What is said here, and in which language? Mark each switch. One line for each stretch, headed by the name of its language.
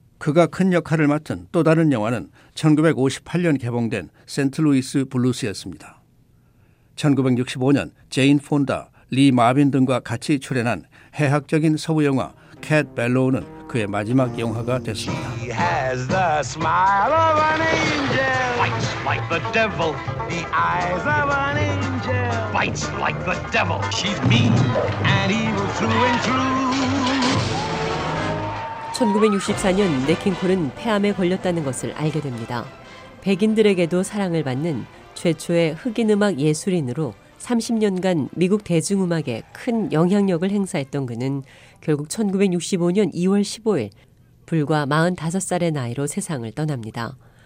Korean: 그가 큰 역할을 맡은 또 다른 영화는 1958년 개봉된 세인트루이스 블루스였습니다. 1965년 제인 폰다, 리 마빈 등과 같이 출연한 해학적인 서부 영화 캣 벨로우는 그의 마지막 영화가 됐습니다.
English: He has the smile of an angel. Fights like the devil. The eyes of an angel. Fights like the devil. She's mean and evil through and through.
Korean: 1964년 네킹 콜은 폐암에 걸렸다는 것을 알게 됩니다. 백인들에게도 사랑을 받는 최초의 흑인 음악 예술인으로 30년간 미국 대중음악에 큰 영향력을 행사했던 그는 결국 1965년 2월 15일 불과 45살의 나이로 세상을 떠납니다.